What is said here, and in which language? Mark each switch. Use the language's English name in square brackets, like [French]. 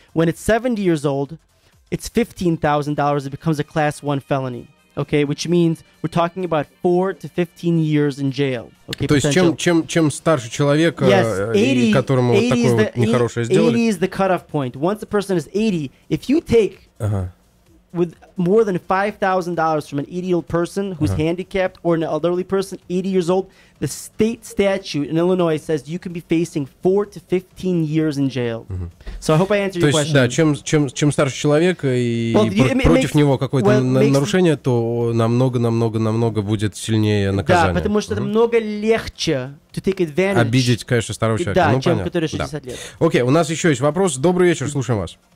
[English] When it's 70 years old, it's $15,000. It becomes a class one felony. Okay, which means we're talking about 4 to 15 years in jail. Okay, [Russian] то есть чем старше человек, yes, 80, и которому 80 вот такое вот нехорошее сделали. [English] 80 is the cutoff point. Once a person is 80, if you take with more than $5,000 from an 80-year-old person who's handicapped or an elderly person, 80 years old, the state statute in Illinois says you can be facing 4 to 15 years in jail. Mm-hmm. So I hope I answered your question. [Russian] То есть, да, чем старше человек против него какое-то нарушение, то намного будет сильнее наказание. Да, потому что это много легче [English] to take advantage. [Russian] Обидеть, конечно, старого человека. Да, ну, чем понятно. Который 60 лет. Окей, у нас еще есть вопрос. Добрый вечер, слушаем вас.